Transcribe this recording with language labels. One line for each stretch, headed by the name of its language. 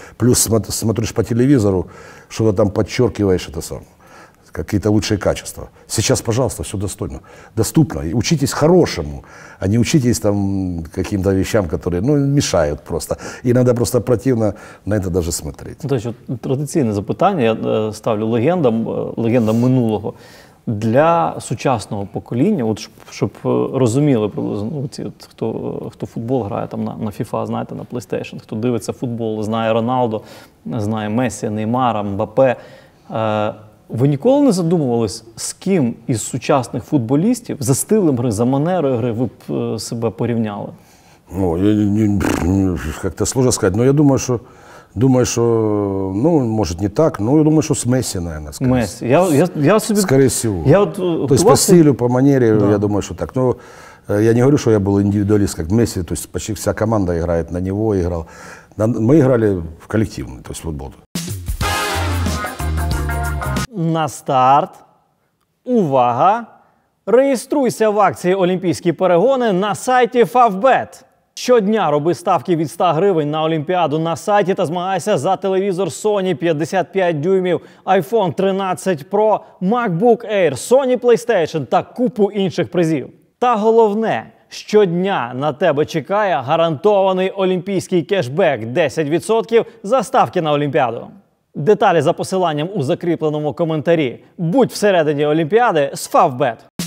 Russian: Плюс смотришь по телевизору, что-то там подчеркиваешь, это самое, какие-то лучшие качества. Сейчас, пожалуйста, все достойно, доступно. И учитесь хорошему, а не учитесь там каким-то вещам, которые, ну, мешают просто. Иногда просто противно на это даже смотреть.
Ukrainian: Тобто, традиційне запитання, я ставлю легендам минулого. Для сучасного покоління, от щоб розуміли приблизно, ці, от, хто футбол грає там на FIFA, знаєте, на PlayStation, хто дивиться футбол, знає Роналдо, знає Месі, Неймара, Мбапе. Ви ніколи не задумувались, з ким із сучасних футболістів за стилем гри, за манерою гри ви б себе порівняли? Ну, як-то
Russian: сложно
Ukrainian: сказати, але я думаю, що... Думаю, що, може, не так, але я думаю, що з Месі, мабуть. Месі. Скоріше всього. Тобто по стилю, по манері, да. Я думаю, що так. Ну, я не говорю, що я був індивідуаліст, як Месі. Тобто
Russian: почти
Ukrainian: вся команда грає на нього. Ми грали в колективний, тобто футбол. На старт. Увага! Реєструйся в акції «Олімпійські перегони» на сайті «Favbet». Щодня роби ставки від 100 гривень на Олімпіаду на сайті та змагайся за телевізор Sony 55 дюймів, iPhone 13 Pro, MacBook Air, Sony PlayStation та купу інших призів. Та головне, щодня на тебе чекає гарантований олімпійський кешбек 10% за ставки на Олімпіаду. Деталі за посиланням у закріпленому коментарі. Будь всередині Олімпіади з Favbet!